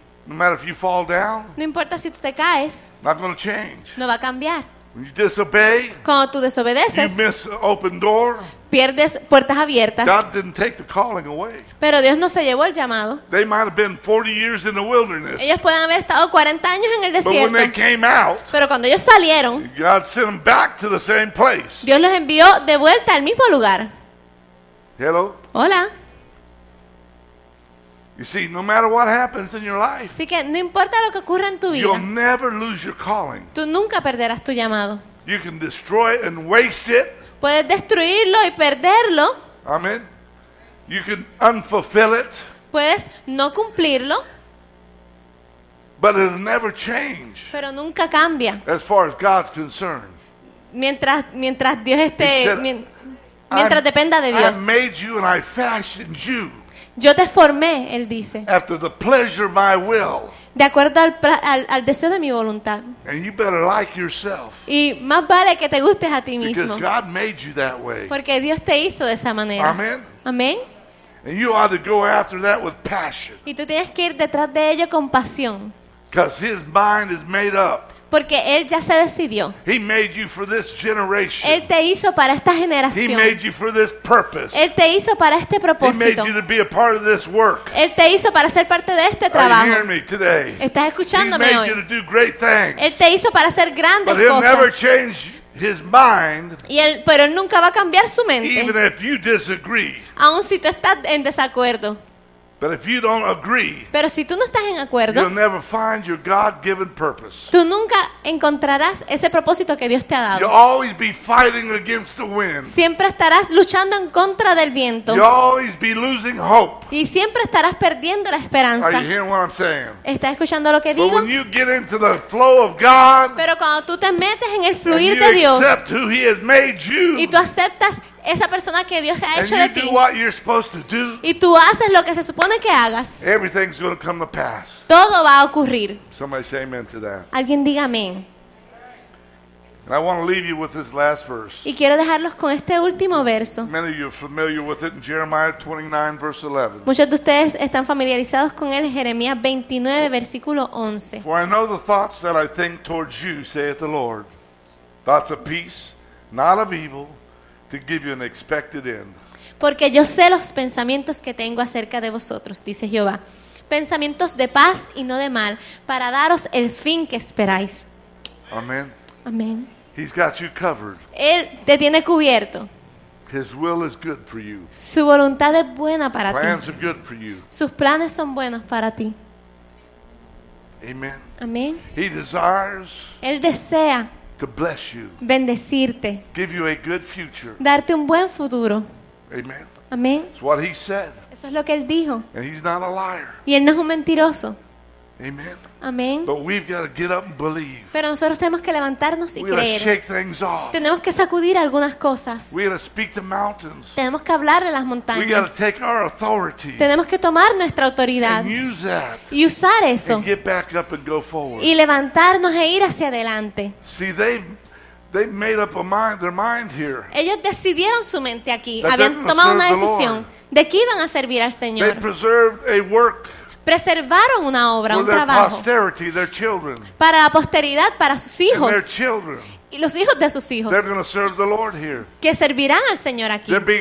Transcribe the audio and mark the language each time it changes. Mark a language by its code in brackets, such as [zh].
[en] No matter if you fall down. [es] No importa si tú te caes. [en] Not going to change. [es] No va a cambiar. [en] When you disobey. [es] Cuando tú desobedeces. [en] You miss open door. [es] Pierdes puertas abiertas. [en] God didn't take the calling away. [es] Pero Dios no se llevó el llamado. [en] They might have been 40 years in the wilderness. [es] Ellos pueden haber estado 40 años en el desierto. [en] But when they came out. [es] Pero cuando ellos salieron. [en] God sent them back to the same place. [es] Dios los envió de vuelta al mismo lugar. [en] Hello. [es] Hola. [en] You see, no matter what happens in your life. [es] Así que no importa lo que ocurra en tu vida. [en] You'll never lose your calling. [es] Tú nunca perderás tu llamado. [en] You can destroy it and waste it. [es] Puedes destruirlo y perderlo. [en] Amen. You can unfulfill it. [es] Puedes no cumplirlo. [en] But it'll never change. [es] Pero nunca cambia. [en] As far as God's concerned. [es] Mientras Dios esté, mientras dependa de Dios. [en] I made you and I fashioned you. [es] Yo te formé, él dice. [en] After the pleasure of my will. [es] De acuerdo al deseo de mi voluntad. [en] And you better like yourself. [es] Y más vale que te gustes a ti mismo. [en] Because God made you that way. [es] Porque Dios te hizo de esa manera. [en] Amen. [es] Amen. [en] And you ought to go after that with passion. [es] Y tú tienes que ir detrás de ello con pasión. [en] Because his mind is made up. [es] Porque él ya se decidió. [en] He made you for this generation. [es] Él te hizo para esta generación. [en] He made you for this purpose. [es] Él te hizo para este propósito. [en] He made you to be a part of this work. [es] Él te hizo para ser parte de este trabajo. [en] Are you hearing me today? [es] ¿Estás escuchándome hoy? [en] He made you to do great things. [es] Él te hizo para hacer grandes cosas. [en] But he'll never change his mind. [es] Pero él nunca va a cambiar su mente. [en] Even if you disagree. [es] Aun si tú estás en desacuerdo. [en] But if you don't agree, [es] pero si tú no estás en acuerdo, [en] you'll never find your God-given purpose. [es] Tú nunca encontrarás ese propósito que Dios te ha dado. [en] You'll always be fighting against the wind. [es] Siempre estarás luchando en contra del viento. [en] You'll always be losing hope. [es] Y siempre estarás perdiendo la esperanza. [en] Are you hearing what I'm saying? [es] ¿Estás escuchando lo que digo? [en] But when you get into the flow of God, [es] pero cuando tú te metes en el fluir [en] and [es] de Dios, [en] you accept who He has made you, [es] y tú aceptas esa persona que Dios ha hecho de ti. Y tú haces lo que se supone que hagas. [en] Everything's going to come to pass. [es] Todo va a ocurrir. [en] Somebody say amen to that. [es] Alguien diga amén. [en] And I want to leave you with this last verse. [es] Y quiero dejarlos con este último verso. [en] Many of you are familiar with it in Jeremiah 29, verse 11. [es] Muchos de ustedes están familiarizados con él, Jeremías 29, versículo 11. [en] For I know the thoughts that I think towards you, saith the Lord. Thoughts of peace, not of evil, to give you an expected end. [es] Porque yo sé los pensamientos que tengo acerca de vosotros, dice Jehová. Pensamientos de paz y no de mal, para daros el fin que esperáis. Amén. [en] Amen. He's got you covered. [es] Él te tiene cubierto. [en] His will is good for you. [es] Su voluntad es buena para [en] plans [es] ti. [en] Plans are good for you. [es] Sus planes son buenos para ti. [en] Amen. [es] Amen. [en] He desires. [es] Él desea. [en] To bless you. [es] Bendecirte. [en] Give you a good future. [es] Darte un buen futuro. [en] Amen. [es] Amen. [en] It's what he said. [es] Eso es lo que él dijo. [en] And he's not a liar. [es] Y él no es un mentiroso. [en] Amen. [es] Amén. [en] But we've got to get up and believe. [es] Pero nosotros tenemos que levantarnos y creer. [en] We gotta shake things off. [es] Tenemos que sacudir algunas cosas. [en] We gotta speak to mountains. [es] Tenemos que hablar de las montañas. [en] We gotta take our authority. [es] Tenemos que tomar nuestra autoridad. [en] And use that. [es] Y usar eso. [en] And get back up and go forward. [es] Y levantarnos e ir hacia adelante. [en] See, they've made up a mind, their mind here. [es] Ellos decidieron su mente aquí. Habían tomado una decisión de que iban a servir al Señor. [en] They preserved a work. [es] Preservaron una obra, un trabajo para la posteridad, para sus hijos y los hijos de sus hijos que servirán al Señor aquí.